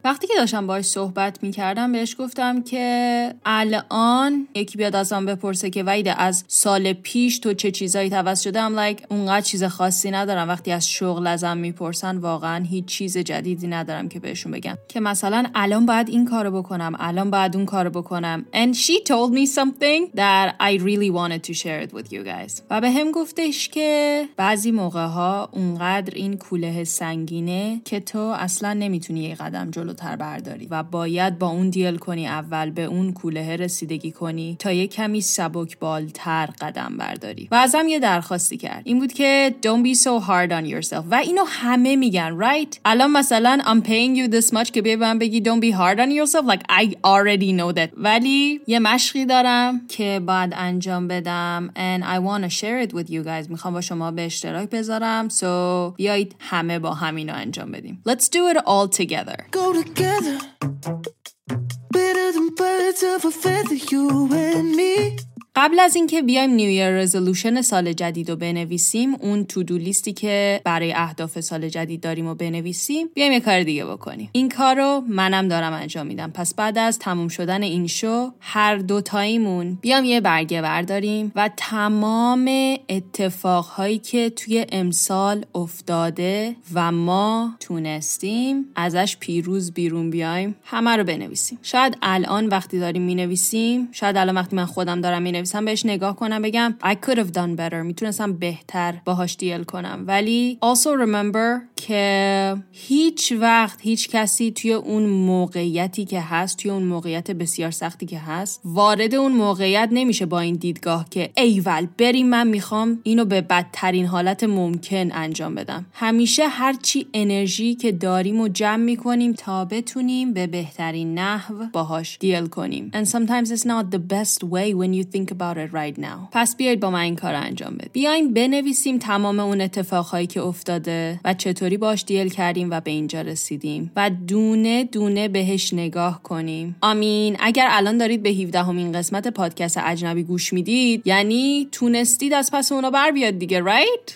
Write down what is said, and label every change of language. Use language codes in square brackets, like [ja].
[fa] وقتی که داشتم باهاش صحبت میکردم بهش گفتم که الان یکی بیاد ازم بپرسه که وحید از سال پیش تو چه چیزایی توسط شده، ام لایک اونقدر چیز خاصی ندارم. وقتی از شغل ازم میپرسن واقعا هیچ چیز جدیدی ندارم که بهشون بگم که مثلا الان باید این کارو بکنم، الان باید اون کارو بکنم. [en] And she told me something that I really wanted to share it with you guys. [fa] و به هم گفتش که بعضی موقع ها اونقدر این کوله سنگینه که تو اصلا نمیتونی یه قدم جلوتر برداری و باید با اون دیل کنی، اول به اون کوله رسیدگی کنی تا یه کمی سبک بالتر قدم برداری. و ازم یه درخواستی کرد، این بود که [en] don't be so hard on yourself. [fa] و اینو همه میگن right؟ الان مثلا [en] I'm paying you this much [fa] که به من بگی [en] don't be hard on yourself، like I already know that. [fa] ولی یه مشقی دارم که باید انجام بدم [en] and I wanna share it with you guys. [fa] میخوام با شما به اشتراک بذارم، so بیایید همه با همینو انجام بدیم. [en] Let's do it all together. Go together, better than birds of a feather, you and me. [fa] قبل از اینکه بیایم نیو ایر رزولوشن سال جدید رو بنویسیم، اون تو دو لیستی که برای اهداف سال جدید داریم رو بنویسیم، بیایم یه کار دیگه بکنیم. این کارو منم دارم انجام میدم. پس بعد از تموم شدن این شو هر دو تایمون بیام یه برگه برداریم و تمام اتفاقهایی که توی امسال افتاده و ما تونستیم ازش پیروز بیرون بیایم همه رو بنویسیم. شاید الان وقتی داریم مینویسیم، شاید الان وقتی من خودم دارم نویسم بهش نگاه کنم بگم [en] I could have done better، [fa] میتونستم بهتر باهاش دیل کنم. ولی [en] also remember [fa] که هیچ وقت هیچ کسی توی اون موقعیتی که هست، توی اون موقعیت بسیار سختی که هست، وارد اون موقعیت نمیشه با این دیدگاه که ایول بریم من میخوام اینو به بدترین حالت ممکن انجام بدم. همیشه هرچی انرژی که داریم و جمع میکنیم تا بتونیم به بهترین نحو باهاش دیل کنیم. [en] And sometimes it's not the best way when you think about it right now. [fa] پس بیایید با من این کار انجام بدیم. بیایم بنویسیم تمام اون اتفاقهایی که افتاده و چطوری باش دیل کردیم و به اینجا رسیدیم و دونه دونه بهش نگاه کنیم. آمین. اگر الان دارید به 17th قسمت پادکست اجنبی گوش میدید، یعنی تونستید از پس اونو بر بیاد دیگه، right?